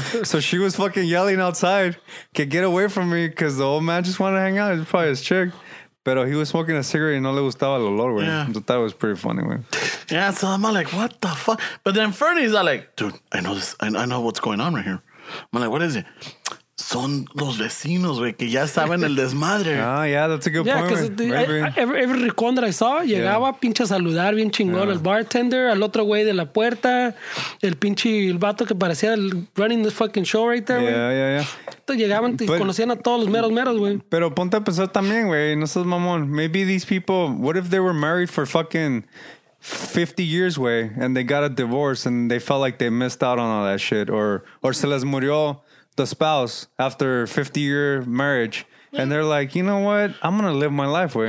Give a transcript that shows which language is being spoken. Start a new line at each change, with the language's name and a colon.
English: So she was fucking yelling outside, get away from me, because the old man just wanted to hang out. It's probably his chick. But he was smoking a cigarette and
Spanish: no le gustaba el olor,
English: güey. Yeah. So that was pretty funny, man. Yeah, so I'm like, what the fuck? But then Fernie's like, dude, I know this. I know what's going on right here. I'm like, what is it?
Spanish: Son los vecinos, güey, que ya saben el desmadre.
English: Ah, yeah, that's a good point. Yeah, every recon that I saw,
Spanish: llegaba pinche a saludar bien chingón al bartender, al otro güey de la puerta, el pinche el vato que parecía
English: running this fucking show right there,
Spanish: güey.
English: Yeah.
Spanish: Llegaban y conocían a todos los meros, güey. Pero ponte a pensar también, güey, no seas mamón.
English: Maybe these people, what if they were married for fucking 50 years, güey, and they got a divorce and they felt like they missed out on all that shit, or
Spanish: se les murió
English: the spouse after 50-year marriage, and they're like, you know what? I'm gonna live my life, way.